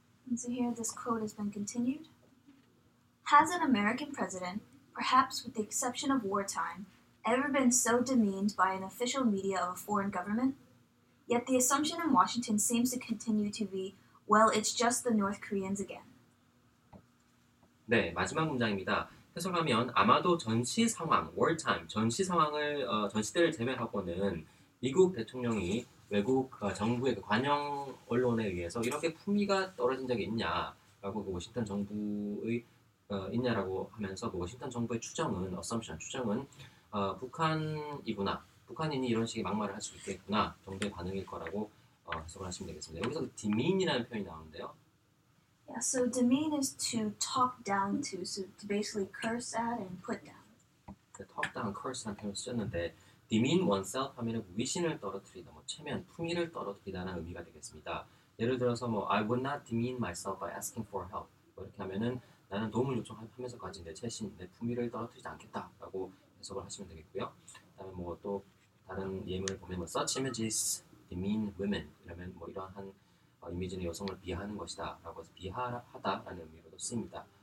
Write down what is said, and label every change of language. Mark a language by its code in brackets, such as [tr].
[en] And so here this quote has been continued. Has an American president, perhaps with the exception of wartime, ever been so demeaned by an official media of a foreign government? Yet the assumption in Washington seems to continue to be, well, it's just the North Koreans again. [ko] 네, 마지막 문장입니다. 해석하면 아마도 전시 상황, wartime, 전시 상황을 전시대를 제외하고는 미국 대통령이 외국 정부의 그 관영 언론에 의해서 이렇게 품위가 떨어진 적이 있냐라고 그 워싱턴 정부의 있냐라고 하면서 그 워싱턴 정부의 추정은 assumption, 추정은 북한이구나. 북한인이 이런 식의 막말을 할 수 있겠구나 정도의 반응일 거라고 해석을 하시면 되겠습니다. 여기서 그 demean이라는 표현이 나오는데요. [en] Yeah, so demean is to talk down to, so to basically curse at and put down. [ko] Talk down, curse라는 표현을 쓰셨는데 demean oneself 하면 위신을 떨어뜨리다, 뭐 체면, 품위를 떨어뜨리다는 의미가 되겠습니다. 예를 들어서 뭐 [en] I would not demean myself by asking for help. [ko] 뭐 이렇게 하면은 나는 도움을 요청하면서까지 내 체신, 내 품위를 떨어뜨리지 않겠다라고 해석을 하시면 되겠고요. 그다음에 뭐 또 다른 예문을 보면 뭐 [en] such images demean women [ko] 이러면 뭐 이러한 이미지는 여성을 비하하는 것이다 라고 해서 비하하다라는 의미로도 쓰입니다.